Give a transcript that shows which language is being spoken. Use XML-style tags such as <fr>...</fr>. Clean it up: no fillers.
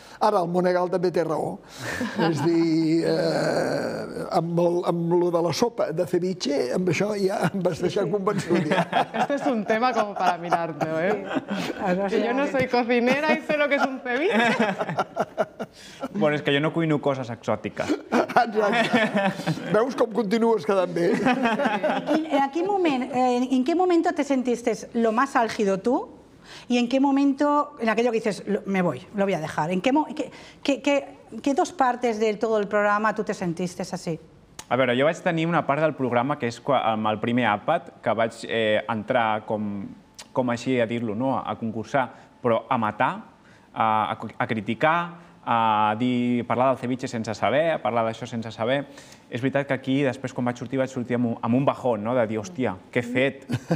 <ca>Ara, el Monegal també té raó. És a dir, amb lo de la sopa de ceviche, amb això ja em vas deixar convençut. Ja.</ca> <es>Este es un tema como para mirarte, ¿eh? Que yo no soy cocinera y sé lo que es un ceviche.</es> <ca>Bueno, és que jo no cuino coses exòtiques. Exacte. Veus com continues quedant bé?</ca> <es>¿En qué momento te sentiste lo más álgido tú? ¿Y en qué momento, en aquello que dices, me voy, lo voy a dejar? ¿En qué dos partes de todo el programa tú te sentiste así?</es> <ca>A veure, jo vaig tenir una part del programa que és amb el primer àpat, que vaig entrar, com així a dir-lo, no? A concursar, però a matar, a criticar, a parlar del ceviche sense saber, a parlar d'això sense saber. És veritat que aquí, després, quan vaig sortir amb un bajón, no? De dir, hòstia, què he fet?</ca>